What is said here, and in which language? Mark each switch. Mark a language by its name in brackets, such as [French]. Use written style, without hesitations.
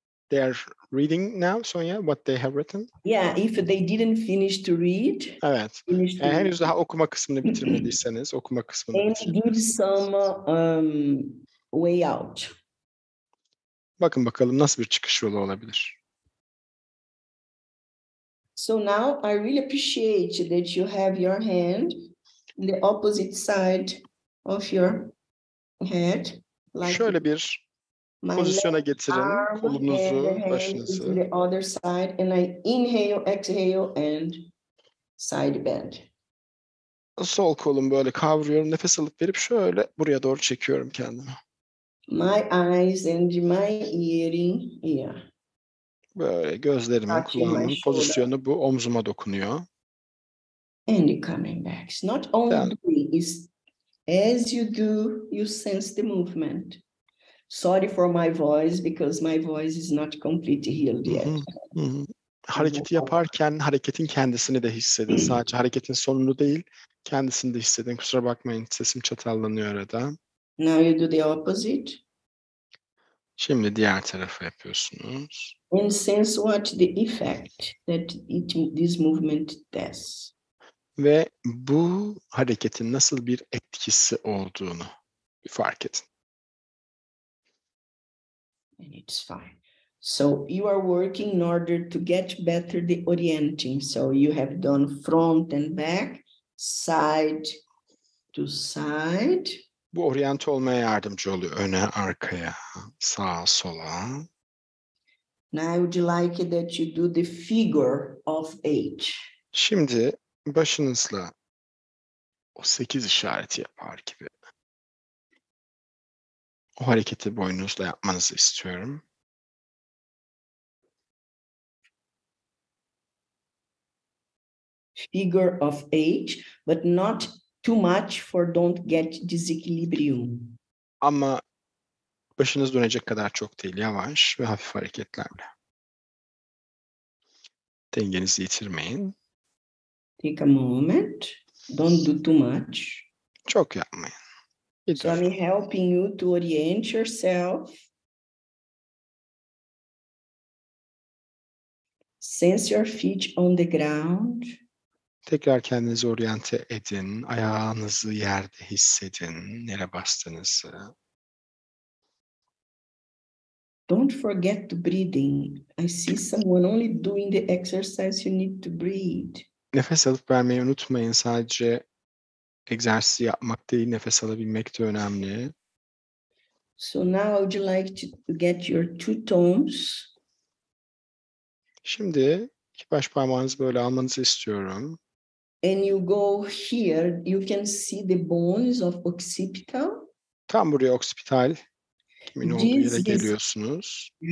[English] They're reading now, Sonia, what they have written? Yeah, if they didn't finish to read. [Turkish] Evet, henüz daha okuma kısmını bitirmediyseniz, okuma kısmını bitirmediyseniz. [English] And give some way out. [Turkish] Bakın bakalım nasıl bir çıkış yolu olabilir. [English] So now I really appreciate that you have your hand. The opposite side of your head. [Turkish] Like şöyle bir pozisyona getirin kolunuzu, başınızı. [English] The other side, and I inhale, exhale, and side bend. [Turkish] Sol kolum böyle kavruyorum, nefes alıp verip şöyle buraya doğru çekiyorum kendimi. [English] My eyes and my earring here. [Turkish] Böyle gözlerimin, kulağımın pozisyonu bu, omzuma dokunuyor. [English] And you're coming back. It's not only is as you do, you sense the movement. Sorry for my voice because my voice is not completely healed yet. [Turkish] Hareketi yaparken hareketin kendisini de hissedin. Sadece hareketin sonunu değil, kendisini de hissedin. Kusura bakmayın, sesim çatallanıyor arada. [English] Now you do the opposite. [Turkish] Şimdi diğer tarafı yapıyorsunuz. [English] And sense what the effect that it, this movement does. [Turkish] Ve bu hareketin nasıl bir etkisi olduğunu fark edin. [English] And it's fine. So you are working in order to get better the orienting. So you have done front and back, side to side. [Turkish] Bu oryant olmaya yardımcı oluyor. Öne, arkaya, sağa, sola. [English] Now I would like that you do the figure of eight. [Turkish] Şimdi başınızla o 8 işareti yapar gibi. O hareketi boynunuzla yapmanızı istiyorum. [English] Figure of eight, but not too much for don't get disequilibrium. [Turkish] Ama başınız dönecek kadar çok değil, yavaş ve hafif hareketlerle. Dengenizi yitirmeyin. [English] Take a moment. Don't do too much. [Turkish] Çok yapmayın. [English] So I'm helping you to orient yourself. Sense your feet on the ground. [Turkish] Tekrar kendinizi oryante edin. Ayağınızı yerde hissedin. Nere bastığınızı. [English] Don't forget to breathing. I see someone only doing the exercise you need to breathe. [Turkish] Nefes alıp vermeyi unutmayın. Sadece egzersizi yapmak değil, nefes alabilmek de önemli. [English] So now I would like to get your two thumbs. [Turkish] Şimdi iki baş parmağınızı böyle almanızı istiyorum. [English] And you go here, you can see the bones of occipital. [Turkish] Tam buraya occipital. Kimin olduğu yere geliyorsunuz.